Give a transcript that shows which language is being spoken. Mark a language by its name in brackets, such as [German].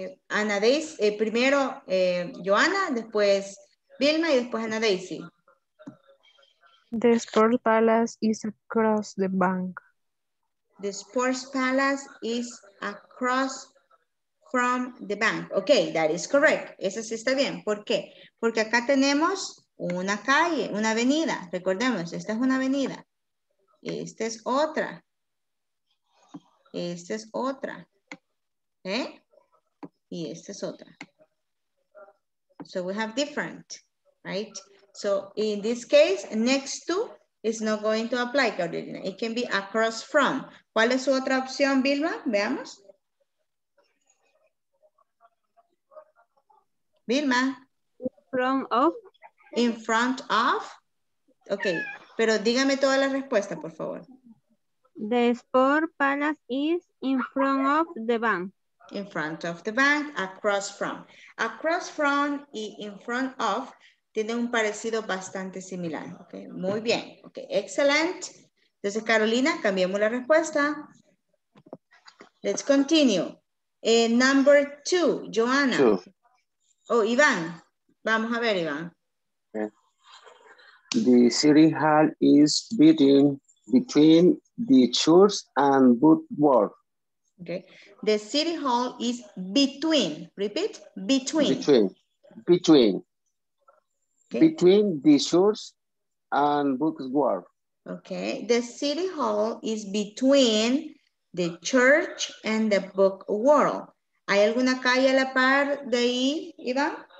[Spanish] Ana Daisy, primero Joana, después Vilma y después Ana Daisy. [English] The Sports Palace is across the bank. The Sports Palace is across from the bank. Ok, that is correct. [Spanish] Eso sí está bien. ¿Por qué? Porque acá tenemos una calle, una avenida. Recordemos, esta es una avenida. Esta es otra. Esta es otra. ¿Eh? Y esta es otra. [English] So we have different, right? So in this case, next to is not going to apply, Carolina. It can be across from. [Spanish] ¿Cuál es su otra opción, Vilma? Veamos. Vilma. [English] In front of. In front of. [Spanish] Ok, pero dígame toda la respuesta, por favor. [English] The Sport Palace is in front of the bank. In front of the bank, across from. Across from y in front of [Spanish] tienen un parecido bastante similar. [English] Okay. [Spanish] Muy bien. Okay. Excellent. Entonces, Carolina, cambiemos la respuesta. [English] Let's continue. Number two, Joanna. Two. [Spanish] Oh, Iván. Vamos a ver, Iván. [English] The city hall is beating between the church and woodwork. Okay. The city hall is between. Repeat. Between. Between. Between. Okay. Between the church and woodwork. Okay. The city hall is between the church and the woodwork. [Spanish] ¿Hay alguna calle a la par de ahí, Iván?